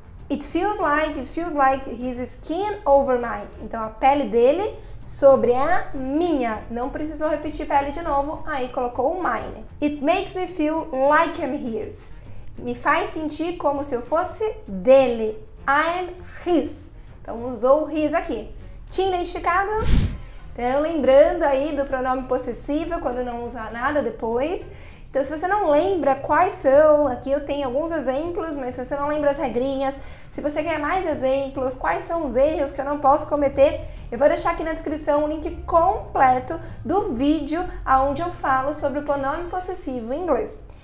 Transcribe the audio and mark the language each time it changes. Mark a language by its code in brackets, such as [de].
[en] It feels like his skin over mine. [pt] Então, a pele dele sobre a minha. Não precisou repetir pele de novo. Aí, colocou o mine. [en] It makes me feel like I'm his. [pt] Me faz sentir como se eu fosse dele. [en] I'm his. [pt] Então usou his aqui. Tinha identificado? Então lembrando aí do pronome possessivo, quando não usa nada depois. Então se você não lembra quais são, aqui eu tenho alguns exemplos, mas se você não lembra as regrinhas, se você quer mais exemplos, quais são os erros que eu não posso cometer, eu vou deixar aqui na descrição um link completo do vídeo onde eu falo sobre o pronome possessivo em inglês.